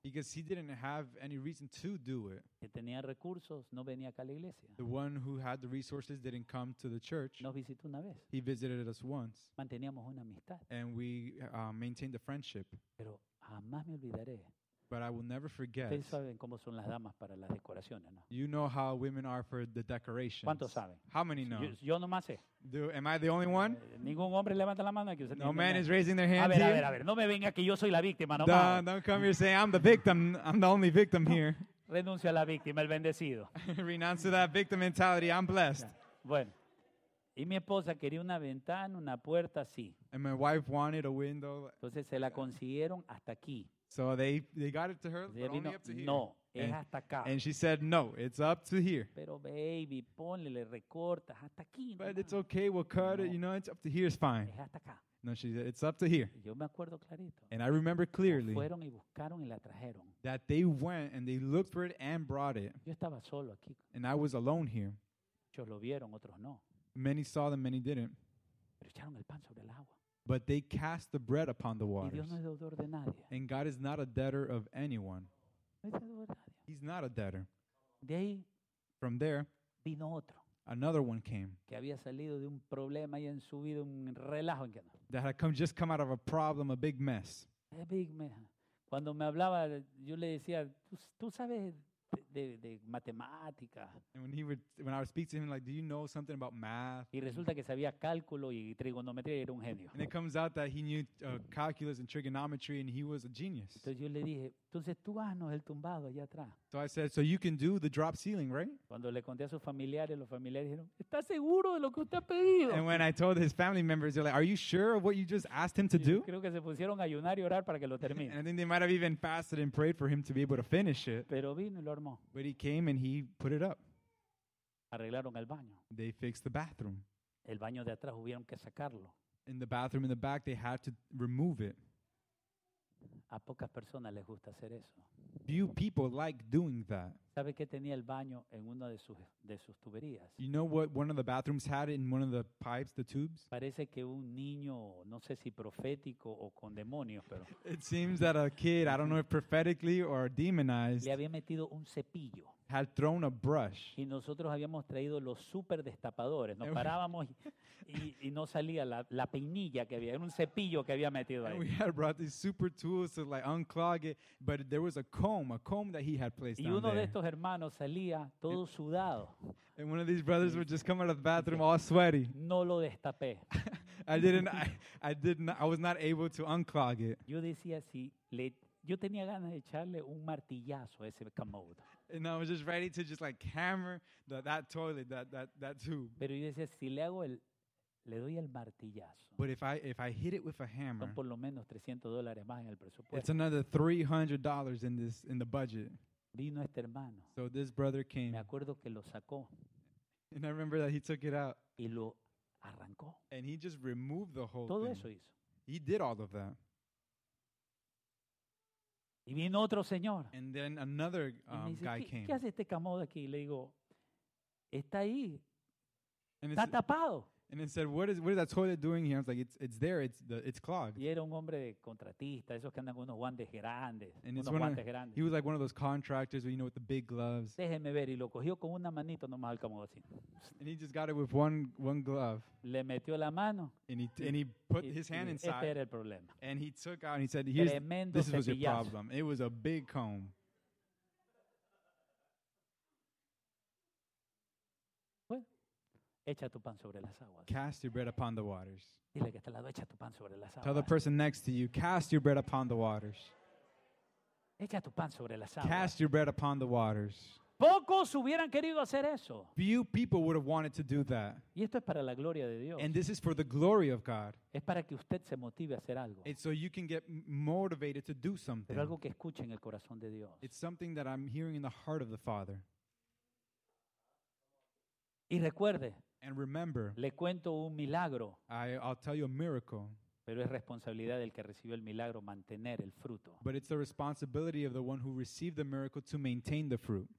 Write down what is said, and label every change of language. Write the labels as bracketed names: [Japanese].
[English] Because he didn't have any reason to do it. [Spanish] Que tenía recursos, no venía acá a la iglesia. [English] The one who had the resources didn't come to the church. [Spanish] Nos visitó una vez. [English] He visited us once. [Spanish] Manteníamos una amistad. [English] And we maintained a friendship. [Spanish] Pero jamás me olvidaré. [English] But I will never forget. [Spanish] Ustedes saben cómo son las damas para las decoraciones, ¿no? [English] You know how women are for the decorations. [Spanish] ¿Cuántos saben? [English] How many know? [Spanish] Yo nomás sé. [English] Am I the only one? [Spanish] Ningún hombre levanta la mano aquí. [English] No man is raising their hand. [Spanish] A ver, no me venga que yo soy la víctima, nomás. [English] Don't come here saying I'm the victim. I'm the only victim here. [Spanish] Renuncio a la víctima, el bendecido. [English] Renounce to that victim mentality. I'm blessed. [Spanish] Bueno. Y mi esposa quería una ventana, una puerta así. [English] And my wife wanted a window. [Spanish] Entonces se la consiguieron hasta aquí. [English] So they got it to her, but only up to here. [Spanish] No, es hasta acá. [English] And she said, no, it's up to here. [Spanish] Pero baby, ponle, le recortas hasta aquí. [English] But it's okay, we'll cut it. You know, it's up to here, it's fine. [Spanish] Es hasta acá. [English] No, she said, it's up to here. [Spanish] Yo me acuerdo clarito. [English] And I remember clearly [Spanish] fueron y buscaron y la trajeron. [English] That they went and they looked for it and brought it. [Spanish] Yo estaba solo aquí. [English] And I was alone here. [Spanish] Ellos lo vieron, otros no. [English] Many saw them, many didn't. [Spanish] Pero echaron el pan sobre el agua. [English] But they cast the bread upon the waters. [Spanish] Y Dios no es deudor de nadie. [English] And God is not a debtor of anyone. [Spanish] No es deudor de nadie. [English] He's not a debtor. [Spanish] De ahí, [English] from there, [Spanish] vino otro. [English] Another one came [Spanish] que había salido de un problema y han subido un relajo en que no. [English] That had just come out of a problem, a big mess. A big mess. [Spanish] Cuando me hablaba, yo le decía, tú sabes de matemática. [English] And when I would speak to him, like, do you know something about math? [Spanish] Y resulta que sabía cálculo y trigonometría y era un genio. [English] And it comes out that he knew calculus and trigonometry and he was a genius. [Spanish] Entonces yo le dije, entonces tú haznos el tumbado allá atrás. [English] So I said, so you can do the drop ceiling, right? [Spanish] Cuando le conté a sus familiares, los familiares dijeron, ¿estás seguro de lo que usted ha pedido? [English] And when I told his family members, they're like, are you sure of what you just asked him to do? [Spanish] Creo que se pusieron a ayunar y orar para que lo termine. [English] And I think they might have even fasted and prayed for him to be able to finish it. [Spanish] Pero vino y lo armó. [English] But he came and he put it up. [Spanish] Arreglaron el baño. [English] They fixed the bathroom. [Spanish] El baño de atrás hubieron que sacarlo. [English] In the bathroom in the back, they had to remove it. [Spanish] A pocas personas les gusta hacer eso. [English] Few people like doing that. [Spanish] ¿Sabe qué tenía el baño en una de sus tuberías? [English] You know what one of the bathrooms had in one of the pipes, the tubes? [Spanish] Parece que un niño, no sé si profético o con demonios, pero. [English] It seems that a kid, I don't know if prophetically or demonized, [Spanish] le había metido un cepillo. [English] Had thrown a brush. [Spanish] Y nosotros habíamos traído los super destapadores. Nos parábamos y no salía la peinilla que había. Era un cepillo que había metido ahí. [English] And we had brought these super tools to like unclog it, but there was a comb that he had placed down there. [Spanish] Y uno de estos hermanos salía todo sudado. [English] And one of these brothers would just come out of the bathroom all sweaty. [Spanish] No lo destapé. [English] I was not able to unclog it. [Spanish] Yo decía si le yo tenía ganas de echarle un martillazo a ese commode. [English] And I was just ready to just like hammer that toilet, that tube. [Spanish] Pero yo decía, si le hago el, le doy el martillazo. [English] But if I hit it with a hammer, [Spanish] son por lo menos $300 más en el presupuesto. [English] It's another $300 in the budget. [Spanish] Vino este hermano. [English] So this brother came. [Spanish] Me acuerdo que lo sacó. [English] And I remember that he took it out. [Spanish] Y lo arrancó. [English] And he just removed the whole [Spanish] todo [English] thing. [Spanish] Todo eso hizo. [English] He did all of that. [Spanish] Y vino otro señor. [English] And then another guy came. [Spanish] ¿Qué hace este camote aquí? Le digo, está ahí. Está tapado. [English] And then said, what is that toilet doing here? I was like, it's there, it's clogged. [Spanish] Y era un hombre de contratista, esos que andan con unos guantes grandes, grandes. [English] He was like one of those contractors, you know, with the big gloves. [Spanish] Déjeme ver, y lo cogió con una manito nomás al camote así. [English] And he just got it with one glove. [Spanish] Le metió la mano. [English] And he put his hand inside. [Spanish] Este era el problema. [English] And he took out and he said, here's, [Spanish] tremendo [English] this [Spanish] cepillazo. [English] Was your problem. It was a big comb. [Spanish] Echa tu pan sobre las aguas. [English] Cast your bread upon the waters. [Spanish] Dile que está al lado, echa tu pan sobre las aguas. [English] Tell the person next to you, cast your bread upon the waters. [Spanish] Echa tu pan sobre las aguas. [English] Cast your bread upon the waters. [Spanish] Pocos hubieran querido hacer eso. [English] Few people would have wanted to do that. [Spanish] Y esto es para la gloria de Dios. [English] And this is for the glory of God. [Spanish] Es para que usted se motive a hacer algo. [English] It's so you can get motivated to do something. [Spanish] Pero algo que escuche en el corazón de Dios. [English] It's something that I'm hearing in the heart of the Father. [Spanish] Y recuerde. [English] And remember, [Spanish] le cuento un milagro. [English] I'll tell you a miracle. [Spanish] Pero es responsabilidad del que recibió el milagro mantener el fruto. [English] But it's the responsibility of the one who received the miracle to maintain the fruit.